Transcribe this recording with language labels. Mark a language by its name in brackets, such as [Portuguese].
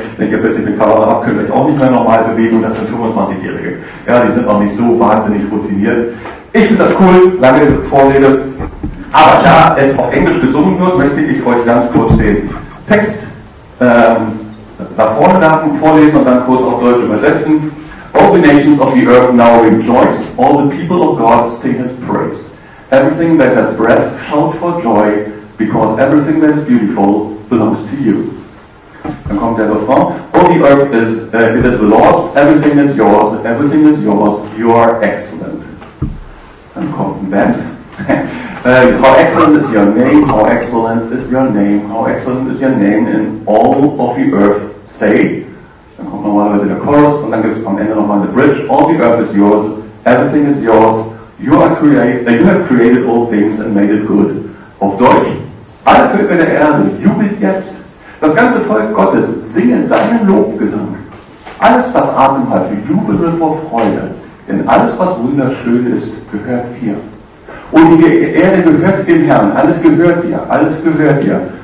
[German] Wenn ihr plötzlich eine Kamera habt, könnt ihr euch auch nicht mehr normal bewegen. Und das sind 25-Jährige. Ja, die sind auch nicht so wahnsinnig routiniert. Ich finde das cool, lange Vorrede. Aber da es auf Englisch gesungen wird, möchte ich euch ganz kurz den Text da vorne lassen, vorlesen und dann kurz auf Deutsch übersetzen. [English] All the nations of the earth now rejoice, all the people of God sing his praise. Everything that has breath shout for joy, because everything that is beautiful belongs to you. [German] Dann kommt der Refrain. [English] All the earth is, it is the Lord's, everything is yours, everything is yours, you are excellent. [German] Dann kommt ein Band. [English] how excellent is your name, how excellent is your name, how excellent is your name in all of the earth, say. [German] Dann kommt normalerweise der Chorus und dann gibt es am Ende nochmal [English] the bridge. All the earth is yours, everything is yours, you are create, you have created all things and made it good. [German] Auf Deutsch, alle Völker der Erde jubelt jetzt. Das ganze Volk Gottes singe seinen Lobgesang. Alles, was Atem hat, jubele vor Freude. Denn alles, was wunderschön ist, gehört dir. Und die Erde gehört dem Herrn, alles gehört dir, alles gehört dir.